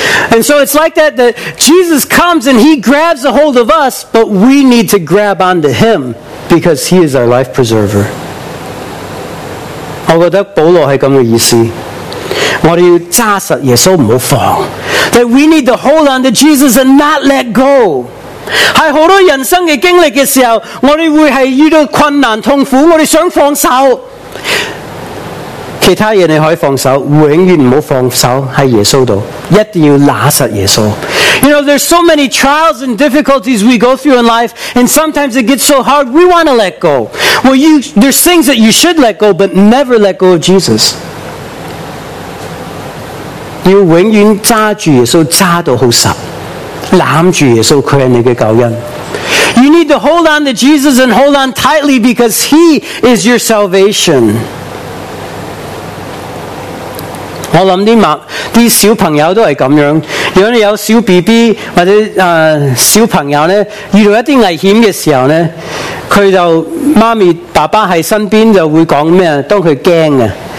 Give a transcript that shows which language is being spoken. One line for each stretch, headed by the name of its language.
English: And so it's like that Jesus comes and he grabs a hold of us, but we need to grab onto him because he is our life preserver.
Cantonese: 我觉得保罗是这样的意思。我们要揸实耶稣,不要放。
English: That we need to hold onto Jesus and not let go.
Cantonese: 在很多人生的经历的时候，我们会是遇到困难痛苦，我们想放手，其他人你可以放手，永远不要放手在耶稣里，一定要拿实耶稣。
English: You know, there's so many trials and difficulties we go through in life, and sometimes it gets so hard, we want to let go. Well, there's things that you should let go, but never let go of Jesus.
Cantonese: 要永远揸住耶稣，揸到好实，揽住耶稣，佢系你嘅救恩。
English: You need to hold on to Jesus and hold on tightly because He is your salvation.
Cantonese: 我谂啲小朋友都系咁样。如果你有小 BB 或者小朋友咧，遇到一啲危险嘅时候咧，佢就妈咪爸爸喺身边就会讲咩？当佢惊啊！